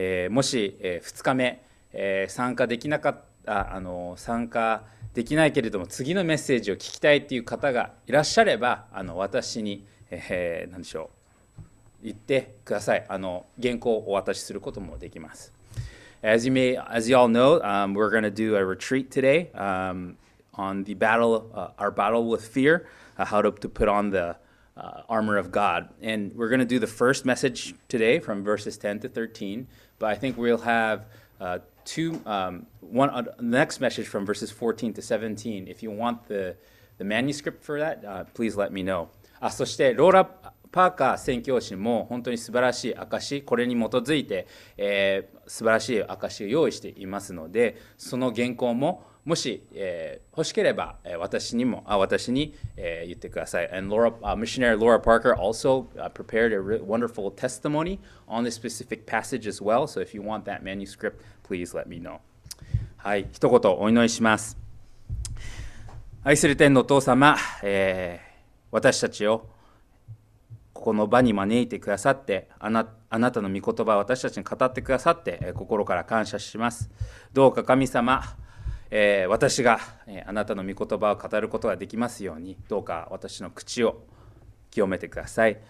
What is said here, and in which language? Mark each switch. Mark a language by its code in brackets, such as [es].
[ja] もし、2日目、参加できなかった参加できないけれども次のメッセージを聞きたいという方がいらっしゃれば私に、何でしょう、言ってください。原稿をお渡しすることもできます。 [en] As you all know, we're going to do a retreat today on the battle, our battle with fear, how to put on the armor of God. And we're going to do the first message today from verses 10 to 13, but I think we'll have the next message from verses 14 to 17. If you want the manuscript for that, please let me know. [ja] そしてローラ・パーカー宣教師も本当に素晴らしい証し、これに基づいて、素晴らしい証しを用意していますので、その原稿ももし、欲しければ、私に、言ってください。 [en] And Laura, missionary Laura Parker also prepared a wonderful testimony on this specific passage as well. So if you want that manuscript, please let me know. [ja] はい、一言お祈りします。愛する天のお父様、私たちをここの場に招いてくださって、あなたの御言葉を私たちに語ってくださって、心から感謝します。どうか神様、私が、あなたの御言葉を語ることができますように、どうか私の口を清めてください。